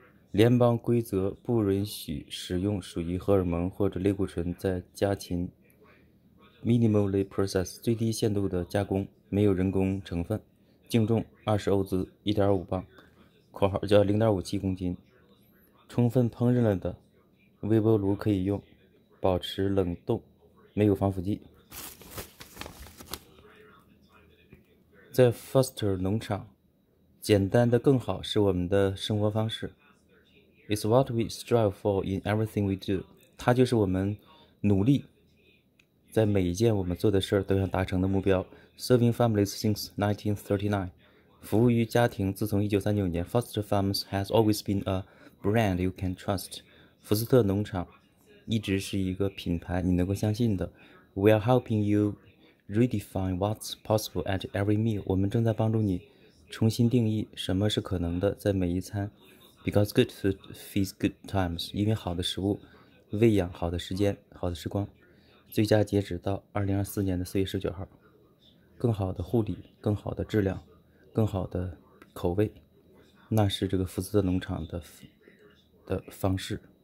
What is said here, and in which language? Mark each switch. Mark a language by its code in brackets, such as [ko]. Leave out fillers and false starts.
[zh] 联邦规则不允许使用属于荷尔蒙或者类固醇在家禽 [en] minimally process [zh] 最低限度的加工，没有人工成分，净重20欧兹1.5磅（括号叫0.57公斤）。充分烹饪了的微波炉可以用，保持冷冻，没有防腐剂。在 Foster 农场。简单的更好是我们的生活方式。 [en] It's what we strive for in everything we do. [zh] 它就是我们努力在每一件我们做的事都想达成的目标。 [en] Serving families since 1939. [zh] 服务于家庭自从1939年。 [en] Foster Farms has always been a brand you can trust. [zh] 福斯特农场一直是一个品牌你能够相信的。 [en] We are helping you redefine what's possible at every meal. [zh] 我们正在帮助你重新定义什么是可能的，在每一餐 ， [en] because good food feeds good times， [zh] 因为好的食物喂养好的时间、好的时光。最佳截止到2024年4月19号。更好的护理，更好的质量，更好的口味，那是这个福斯特农场的方式。